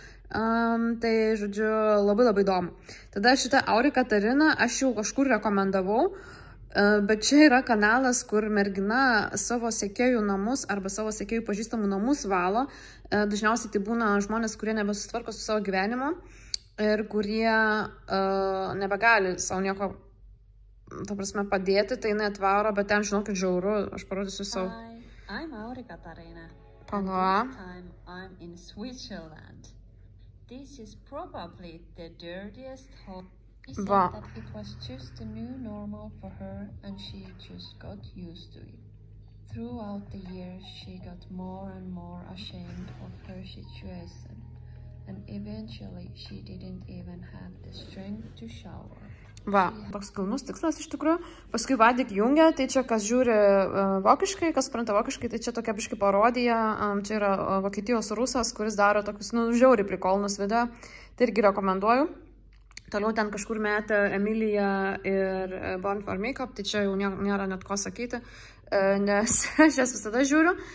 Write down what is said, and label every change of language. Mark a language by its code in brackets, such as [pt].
[lt] Tai žodžiu, labai labai įdomu. Tada šitą Auri Katarina aš jau kažkur rekomendavau, bet čia yra kanalas, kur mergina savo sekėjų namus arba savo sekėjų pažįstamų namus valo. Dažniausiai tai būna žmonės, kurie nebesusitvarko su savo gyvenimu ir kurie nebegali savo nieko, ta prasme, padėti, tai jinai atvaro, bet ten, žinokit, žiauru, aš parodysiu savo. [en] Hi, I'm Auri Katarina. [lt] Pala. [en] And this time I'm in Switzerland. This is probably the dirtiest home. She said that it was just the new normal for her and she just got used to it. Throughout the years, she got more and more ashamed of her situation, and eventually she didn't even have the strength to shower. [lt] Va, toks kalnus tikslas iš tikrųjų. Paskui Vadik jungia, tai čia kas žiūri vokiškai, kas supranta vokiškai, tai čia tokia biškai parodija. Čia yra Vokietijos rusas, kuris daro tokius, nu, žiauri prikolnus video. Tai irgi rekomenduoju. Toliau ten kažkur metė Emilija ir Born for Makeup, tai čia jau nėra net ko sakyti, nes aš jas visada žiūriu.